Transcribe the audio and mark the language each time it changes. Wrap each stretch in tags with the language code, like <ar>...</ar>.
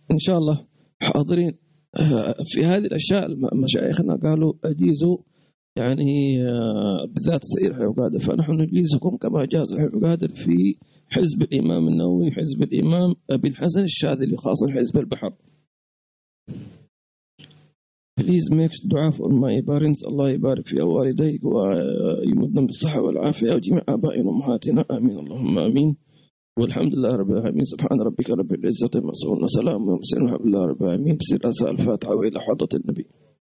<ar>إن شاء الله حاضرين في هذه الأشياء. مشايخنا قالوا أجيزوا يعني بالذات سير الحبيب القادر, فنحن نجيزكم كما أجاز الحبيب القادر في حزب الإمام النووي, حزب الإمام أبي الحسن الشاذلي, خاصة حزب البحر.</ar> <en>Please make دعاء for my parents.</en> <ar>الله يبارك في والديك ويمدهم بالصحة والعافية وجميع آبائنا وأمهاتنا. آمين اللهم آمين. والحمد لله رب العالمين. سبحان ربك رب العزة عما يصفون وسلام على المرسلين. الحمد لله رب العالمين. بسم الله الفاتحة وإلى حضرة النبي.</ar>